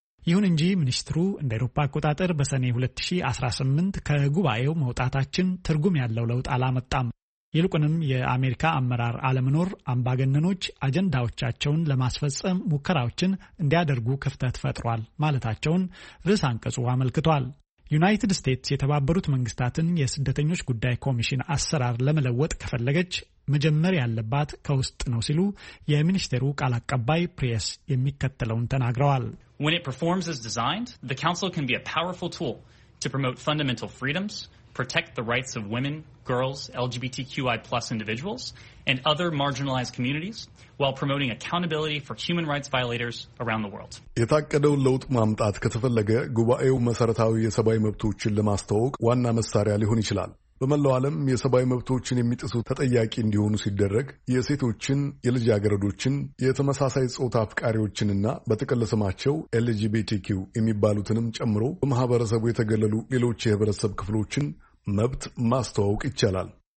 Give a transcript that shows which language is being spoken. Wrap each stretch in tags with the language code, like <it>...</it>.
<am>ይሁን እንጂ ሚኒስትሩ እንደ አውሮፓ አቆጣጠር በሰኔ 2018 ከጉባኤው መውጣታችን ትርጉም ያለው ለውጥ አላመጣም፣ ይልቁንም የአሜሪካ አመራር አለመኖር አምባገነኖች አጀንዳዎቻቸውን ለማስፈጸም ሙከራዎችን እንዲያደርጉ ክፍተት ፈጥሯል ማለታቸውን ርዕሰ አንቀጹ አመልክቷል። ዩናይትድ ስቴትስ የተባበሩት መንግስታትን የስደተኞች ጉዳይ ኮሚሽን አሰራር ለመለወጥ ከፈለገች መጀመር ያለባት ከውስጥ ነው ሲሉ የሚኒስቴሩ ቃል አቀባይ ፕሬስ የሚከተለውን ተናግረዋል።</am> <en>When it performs as designed, the council can be a powerful tool to promote fundamental freedoms, protect the rights of women, girls, LGBTQI+ individuals, and other marginalized communities while promoting accountability for human rights violators around the world.</en> <am>የታቀደው ለውጥ ማምጣት ከተፈለገ ጉባኤው መሰረታዊ የሰብአዊ መብቶችን ለማስተዋወቅ ዋና መሳሪያ ሊሆን ይችላል። በመላው ዓለም የሰብአዊ መብቶችን የሚጥሱ ተጠያቂ እንዲሆኑ ሲደረግ የሴቶችን፣ የልጃገረዶችን፣ የተመሳሳይ ጾታ አፍቃሪዎችንና በጥቅል ስማቸው LGBTQ የሚባሉትንም ጨምሮ በማህበረሰቡ የተገለሉ ሌሎች የህብረተሰብ ክፍሎችን መብት ማስተዋወቅ ይቻላል።</am>